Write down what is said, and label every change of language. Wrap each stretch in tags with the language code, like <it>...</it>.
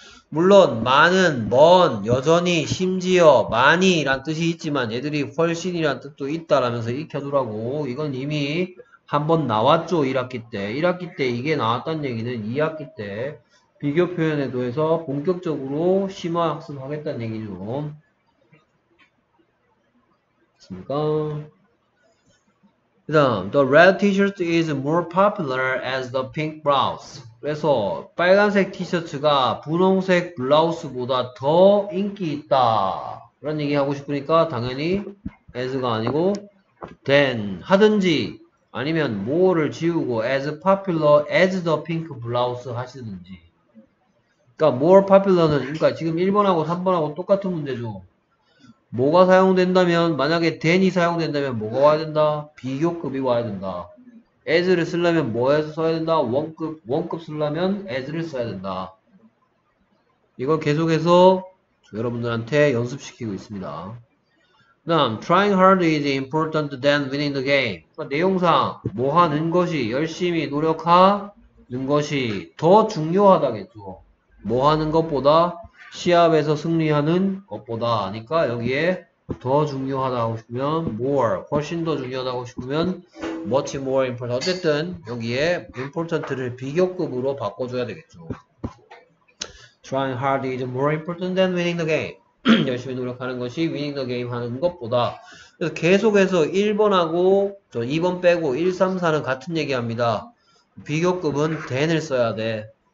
<ko>물론 많은, 먼, 여전히, 심지어, 많이 이란 뜻이 있지만 얘들이 훨씬이란 뜻도 있다라면서 익혀두라고. 이건 이미 한번 나왔죠. 1학기 때. 1학기 때 이게 나왔다는 얘기는 2학기 때 비교 표현에 도해서 본격적으로 심화 학습하겠다는 얘기죠. 맞습니까? 그 다음,</ko> <en>the red t-shirt is more popular as the pink blouse.</en> <ko>그래서 빨간색 티셔츠가 분홍색 블라우스보다 더 인기 있다. 그런 얘기 하고 싶으니까 당연히 as가 아니고 than 하든지 아니면 more를 지우고</ko> <en>as popular as the pink blouse</en> <ko>하시든지. 그러니까 more popular는 그러니까 지금 1번하고 3번하고 똑같은 문제죠. 뭐가 사용된다면 만약에 than이 사용된다면 뭐가 와야 된다? 비교급이 와야 된다. as를 쓰려면 뭐에서 써야 된다? 원급 쓰려면 as를 써야 된다. 이걸 계속해서 여러분들한테 연습시키고 있습니다.</ko> <en>그다음 trying hard is important than winning the game.</en> <ko>그러니까 내용상 뭐 하는 것이 열심히 노력하는 것이 더 중요하다겠죠. 뭐 하는 것보다 시합에서 승리하는 것보다 하니까 여기에 더 중요하다고 싶으면 more, 훨씬 더 중요하다고 싶으면</ko> <en>much more important.</en> <ko>어쨌든 여기에 important를 비교급으로 바꿔줘야 되겠죠.</ko> <en>Trying hard is more important than winning the game.</en> <ko>열심히 노력하는 것이</ko> <en>winning the game</en> <ko>하는 것보다. 그래서 계속해서 1번하고 저 2번 빼고 1, 3, 4는 같은 얘기합니다. 비교급은 than을 써야 돼.</ko>